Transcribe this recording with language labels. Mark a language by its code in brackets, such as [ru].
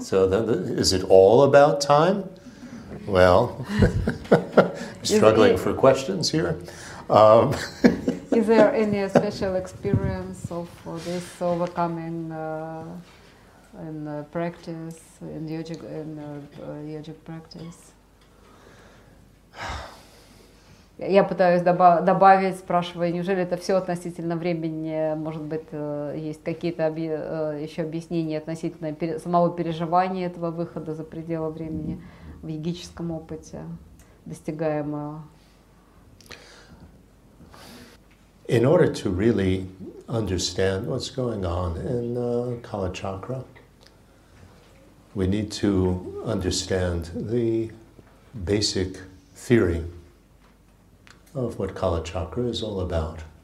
[en] So then, is it all about time? Well, struggling for questions here. Is there any special experience of this overcoming in practice, in yogic practice? [ru] Я пытаюсь добавить, спрашивая, неужели это все относительно времени? Может быть, есть какие-то еще объяснения относительно самого переживания этого выхода за пределы времени в йогическом опыте, достигаемого? [en] In order to really understand what's going on in Kalachakra, we need to understand the basic theory of what Kalachakra is all about.